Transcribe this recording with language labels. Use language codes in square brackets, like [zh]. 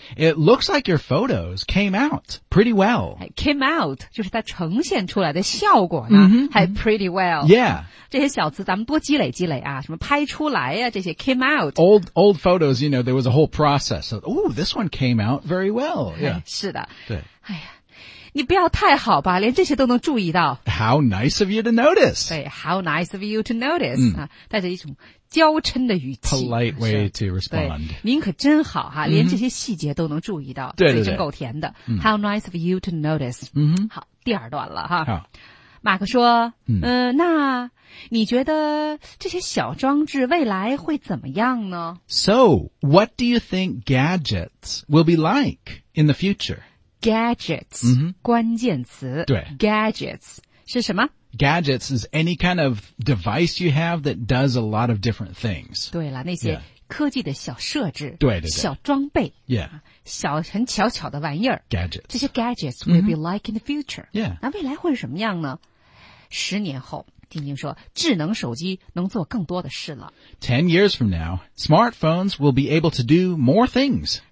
[en] It looks like your photos came out pretty well. [zh] Came out, 就是它呈现出来的效果呢、还 [en] pretty well. Yeah. [zh] 这些小词咱们多积累积累啊，什么拍出来啊，这些 [en] came out. Old photos, you know, there was a whole process. Oh, this one came out very well. Yeah. [zh] 是的。对。哎呀。你不要太好吧，连这些都能注意到。 [en] How nice of you to notice. [zh] 对 , [en] how nice of you to notice.、 [zh] 带着一种娇嗔的语气。 [en] Polite way to respond. [zh] 您可真好哈、连这些细节都能注意到。对, 对, 对。嘴真够甜的。 [en] How nice of you to notice.、 [zh] 好，第二段了哈。好。马克说那你觉得这些小装置未来会怎么样呢 [en] ?So, what do you think gadgets will be like in the future? [zh] Gadgets,、关键词。对。 Gadgets, 是什么 [en] ?Gadgets is any kind of device you have that does a lot of different things. [zh] 对了，那些科技的小设置。 [en] Yeah. [zh] 对对对。小装备。 [en] Yeah. [zh] 小很巧巧的玩意儿。 [en] Gadgets. [zh] 这些 [en] gadgets will be like in the future. Yeah. [zh] 那未来会是什么样呢十年后。丁丁说智能手机能做更多的事了。 [en] 10 years from now, smartphones will be able to do more things.